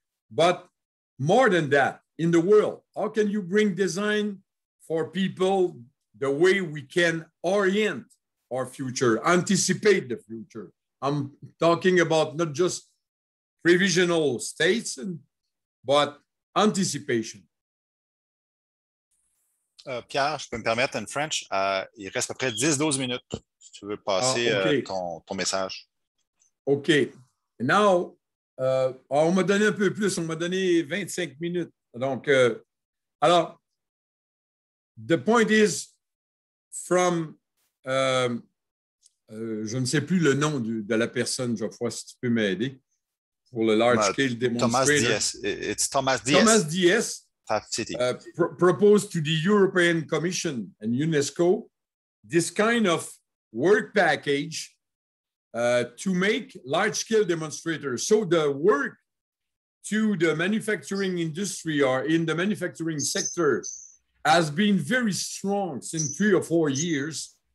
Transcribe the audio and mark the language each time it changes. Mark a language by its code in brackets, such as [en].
[en] but more than that, in the world, how can you bring design for people the way we can orient our future, anticipate the future? I'm talking about not just provisional states, but anticipation. [fr] Pierre, je peux me permettre, [en] in French, [fr] il reste à peu près 10-12 minutes si tu veux passer ton message. OK. Now, on m'a donné un peu plus, on m'a donné 25 minutes. Donc, alors, [en] the point is from, [fr] je ne sais plus le nom de la personne, Geoffroy, si tu peux m'aider, pour le large scale demonstrator. Thomas Diaz. [en] Proposed to the European Commission and UNESCO this kind of work package to make large-scale demonstrators. So the work to the manufacturing industry or in the manufacturing sector has been very strong since 3 or 4 years.